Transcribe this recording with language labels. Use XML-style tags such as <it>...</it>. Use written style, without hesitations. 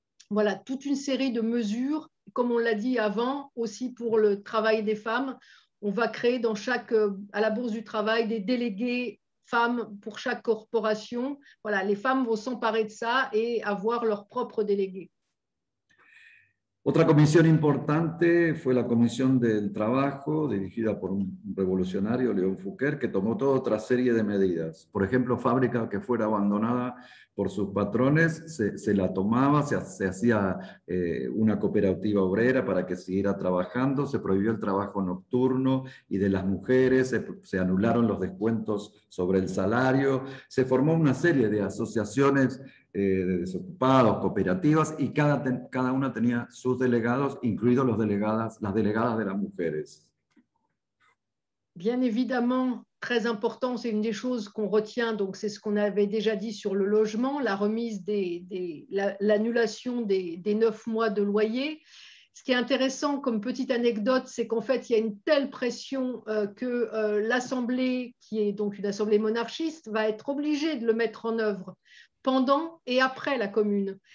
<fr>Voilà, toute une série de mesures, comme on l'a dit avant, aussi pour le travail des femmes. On va créer dans chaque, à la Bourse du Travail, des délégués femmes pour chaque corporation. Voilà, les femmes vont s'emparer de ça et avoir leurs propres délégués.</fr> <es>Otra comisión importante fue la Comisión del Trabajo, dirigida por un revolucionario, León Fouquet, que tomó toda otra serie de medidas. Por ejemplo, fábrica que fuera abandonada por sus patrones, se la tomaba, se hacía una cooperativa obrera para que siguiera trabajando, se prohibió el trabajo nocturno y de las mujeres, se anularon los descuentos sobre el salario, se formó una serie de asociaciones de desocupados, cooperativas, y cada una tenía sus delegados, incluidos las delegadas de las mujeres.</es> <fr>Bien évidemment, très important, c'est une des choses qu'on retient, donc c'est ce qu'on avait déjà dit sur le logement, la remise l'annulation des 9 mois de loyer. Ce qui est intéressant comme petite anecdote, c'est qu'en fait, il y a une telle pression que l'Assemblée, qui est donc une assemblée monarchiste, va être obligée de le mettre en œuvre pendant et après la commune.</fr>